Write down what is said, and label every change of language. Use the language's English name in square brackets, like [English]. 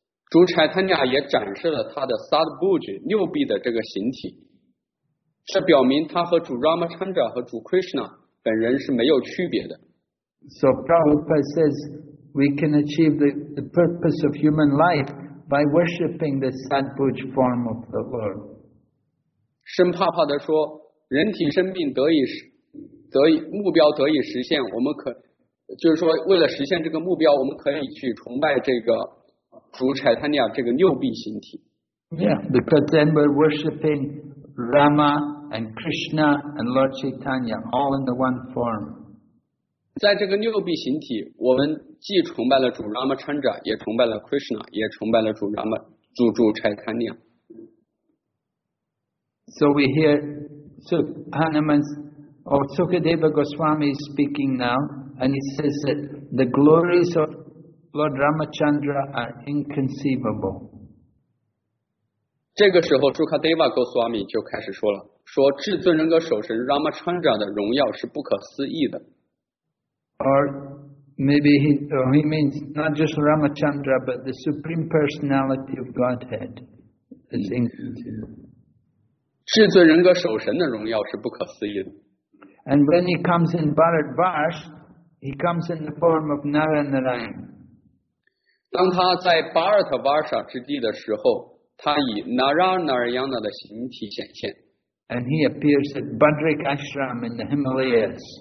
[Chinese] 主 Chaitanya 也展示了他的 Sadbhuj, 六臂的这个形体。这表明他和主 Ramachandra 和主 Krishna 本人是没有区别的。 [English] So Prabhupada says, we can achieve the purpose of human life by worshipping the Sadbhuj form of the Lord. [Chinese] 深怕怕地说，人体生命目标得以实现，我们可就是说，为了实现这个目标，我们可以去崇拜这个主柴坦尼亚这个六臂形体。 [English] Yeah, because then we're worshipping Rama and Krishna and Lord Chaitanya all in the one form. [Chinese] 在这个六臂形体，我们既崇拜了主 Ramachandra， 也崇拜了 Krishna， 也崇拜了主 Rama， 主柴坦尼亚。 [English] So we hear Sukadeva Goswami is speaking now, and he says that the glories of Lord Ramachandra are inconceivable. [Chinese] 这个时候 Sukadeva Goswami 就开始说了，说至尊人格守神 Ramachandra 的荣耀是不可思议的。 [English] Or maybe he means not just Ramachandra, but the Supreme Personality of Godhead is inconceivable. [Chinese] 至尊人格守神的荣耀是不可思议的。 [English] And when he comes in Bharat Varsh, he comes in the form of Naranarayan. [Chinese] 当他在 Bharat Varsha 之地的时候，他以 Naranarayana 的形体显现。 [English] And he appears at Badrik Ashram in the Himalayas.